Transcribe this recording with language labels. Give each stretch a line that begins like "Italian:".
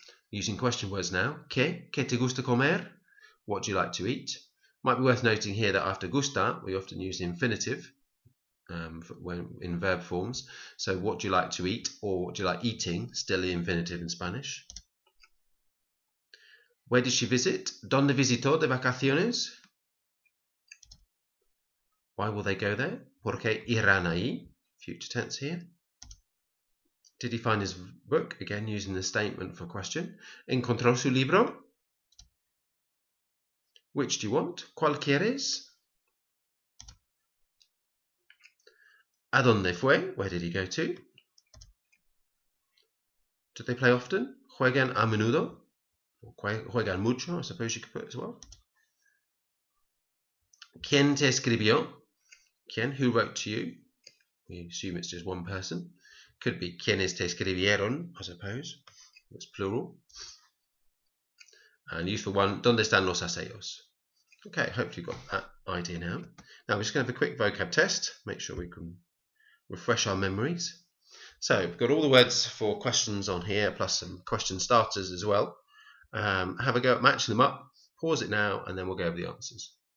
English: Using question words now.
Spanish: ¿Qué? ¿Qué te gusta comer?
English: What do you like to eat? Might be worth noting here that after gusta, we often use the infinitive in verb forms. So, what do you like to eat? Or, what do you like eating? Still the infinitive in Spanish. Where did she visit?
Spanish: ¿Dónde visitó de vacaciones?
English: Why will they go there?
Spanish: ¿Por qué irán ahí?
English: Future tense here. Did he find his book? Again, using the statement for question.
Spanish: ¿Encontró su libro?
English: Which do you want?
Spanish: ¿Cuál quieres? ¿A dónde fue?
English: Where did he go to? Do they play often?
Spanish: ¿Juegan a menudo? ¿Juegan mucho?
English: I suppose you could put it as well.
Spanish: ¿Quién te escribió? ¿Quién?
English: Who wrote to you? We assume it's just one person. Could be
Spanish: ¿quiénes te escribieron?
English: I suppose. It's plural. And useful one,
Spanish: ¿dónde están los aseos?
English: Okay, hopefully you've got that idea now. Now we're just going to have a quick vocab test. Make sure we can refresh our memories. So we've got all the words for questions on here, plus some question starters as well. Have a go at matching them up. Pause it now, and then we'll go over the answers.